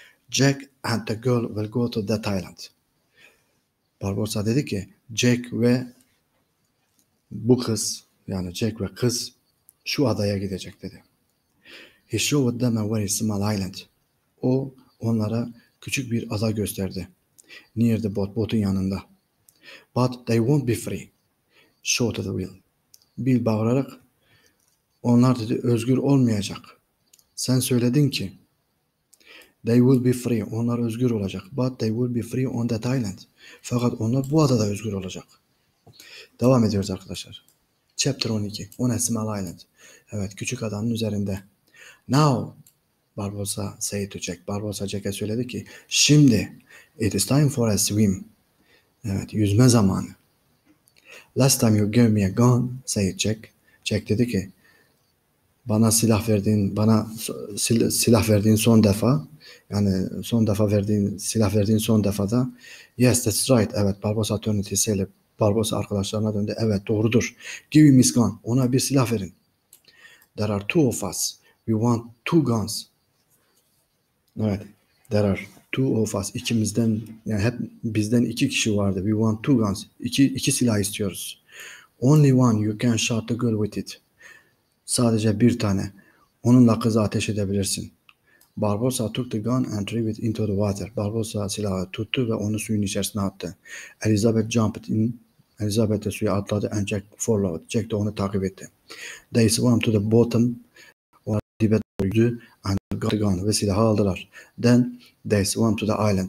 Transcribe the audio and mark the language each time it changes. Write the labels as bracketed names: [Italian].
[English] Jack and the girl will go to the Thailand. [Turkish] Barbosa dedi ki Jack ve bu kız yani Jack ve kız şu adaya gidecek dedi. [English] He showed them a very small island. [Turkish] O onlara küçük bir ada gösterdi. [English] Near the boat, [Turkish] botun yanında. [English] But they won't be free, shouted Will. [Turkish] Bill bağırarak, onlar dedi özgür olmayacak. Sen söyledin ki, [English] they will be free, [Turkish] onlar özgür olacak. [English] But they will be free on that island. [Turkish] Fakat onlar bu adada özgür olacak. Devam ediyoruz arkadaşlar. [English] Chapter 12, on a small island. [Turkish] Evet, küçük adanın üzerinde. [English] Now, Barbosa said to Jack. [Turkish] Barbosa Jack'e söyledi ki, şimdi [English] it is time for a swim. [Turkish] Evet, yüzme zamanı. [English] Last time you gave me a gun, said Jack. [Turkish] Jack dedi ki, silah verdiğin son defa, yani silah verdiğin son defada, [English] yes, that's right. [Turkish] Evet, [English] Barbosa turned to Sailor. [Turkish] Barbosa arkadaşlarına döndü. Evet, doğrudur. [English] Give him his gun. [Turkish] Ona bir silah verin. [English] There are two of us. We want two guns. [Turkish] Evet, [English] two of us, [Turkish] ikimizden yani hep bizden iki kişi vardı. [English] We want two guns. [Turkish] İki silah istiyoruz. [English] Only one you can shoot the girl with it. [Turkish] Sadece bir tane. Onunla kızı ateş edebilirsin. [English] Barbosa took the gun and threw it into the water. [Turkish] Barbosa silahı tuttu ve onu suyun içerisine attı. [English] Elizabeth jumped in. [Turkish] Elizabeth de suya atladı [English] and Jack followed. [Turkish] Jack de onu takip etti. [English] They swam to the bottom. [Turkish] Onlar dibe doğru yüzdü. [English] Got the gun [Turkish] ve silahı aldılar. [English] Then they swam to the island.